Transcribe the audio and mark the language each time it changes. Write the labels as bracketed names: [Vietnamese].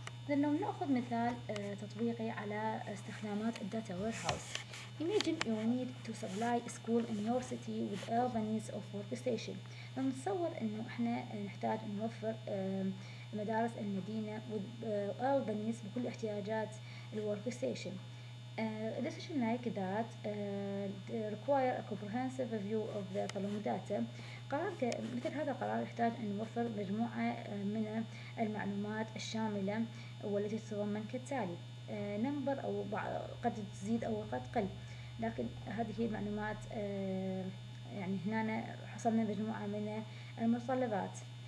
[Arabic] لو نأخذ مثال تطبيقي على استخدامات الداتا ويرهاوس. [English] Imagine you need to supply a school in your city with all the needs of workstation. [Arabic] نتصور إنه إحنا نحتاج نوفر مدارس المدينة [English] with all the needs [Arabic] بكل احتياجات الworkstation. [English] A decision like that require a comprehensive view of the following data. [Arabic] قرار مثل هذا القرار يحتاج أن نوفر مجموعة من المعلومات الشاملة والتي تتضمن كالتالي: نمبر أو قد تزيد أو قد تقل، لكن هذه المعلومات يعني هنا حصلنا مجموعة من المتطلبات.